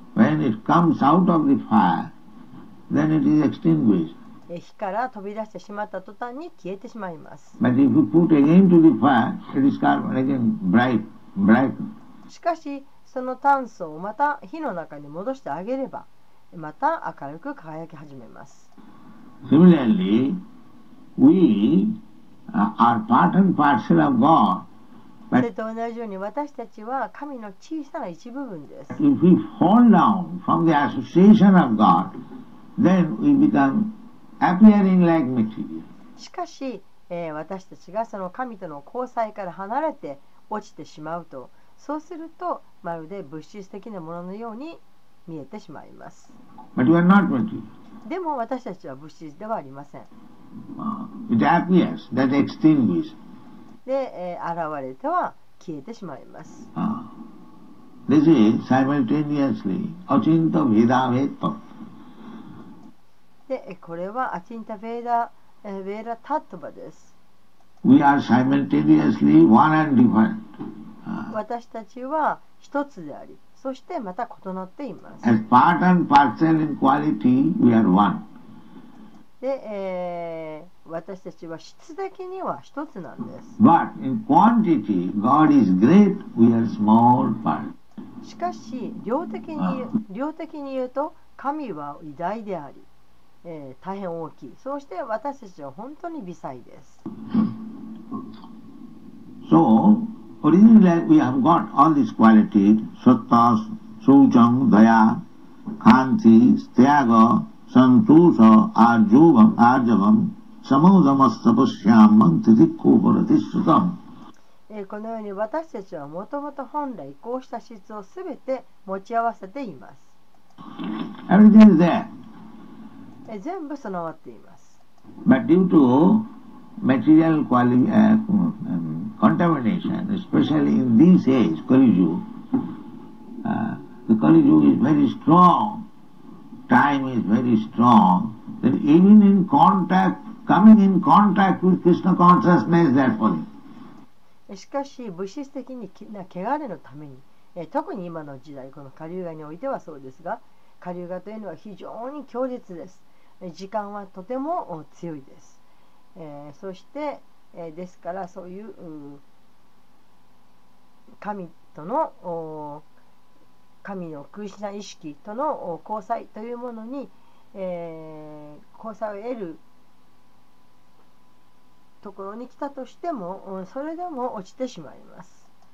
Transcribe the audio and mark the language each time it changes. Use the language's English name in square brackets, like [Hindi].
[English] When it comes out of the fire, then it is extinguished. [Japanese] 火から飛び出してしまった途端に消えてしまいます。 [English] But if you put again to the fire, it is carbon again, bright. [Japanese] しかし、その炭素をまた火の中に戻してあげれば、また明るく輝き始めます。 [English] Similarly, we are part and parcel of God. [Japanese] それと同じように私たちは神の小さな一部分です。 [English] If we fall down from the association of God, then we become appearing like material. [Japanese] しかし、私たちがその神との交際から離れて落ちてしまうと、そうするとまるで物質的なもののように見えてしまいます。 [English] But you are not material. [Japanese] でも私たちは物質ではありません。 [English] It appears, that extinguishes. [Japanese] で、現れては消えてしまいます。 [English] This is simultaneously Achinta Veda Vetta. [Japanese] で、これはAchinta Veda Veda Tattva です。 [English] We are simultaneously one and different. [Japanese] 私たちは一つであり、そしてまた異なっています。 [English] As part and parcel in quality, we are one. [Japanese] で、私たちは質的には一つなんです。 [English] But in quantity, God is great, we are small part. [Japanese] しかし量的に言うと神は偉大であり、大変大きい。そして私たちは本当に微細です。 [English] SoOriginally, we have got all these qualities, [Sanskrit] satta, shucham, daya, khanti, stiyaga, santusha, arjubam, arjavam, samudamastapasyam, mantidikkuparadishtam. [Japanese] このように私たちはもともと本来こうした質をすべて持ち合わせています。 [English] Everything is there. [Japanese] 全部備わっています。 [English] But due to material quality, contamination, especially in this age, Kali Yuga. The Kali Yuga is very strong, time is very strong, that even in contact, coming in contact with Krishna consciousness, they are falling. [Japanese] しかし、物質的な汚れのために、特に今の時代、このカリウガにおいてはそうですが、カリウガというのは非常に強烈です。時間はとても強いです。そしてですからそういう神との神のクリシナ意識との交際というものに交際を得るところに来たとしてもそれでも落ちてしまいます。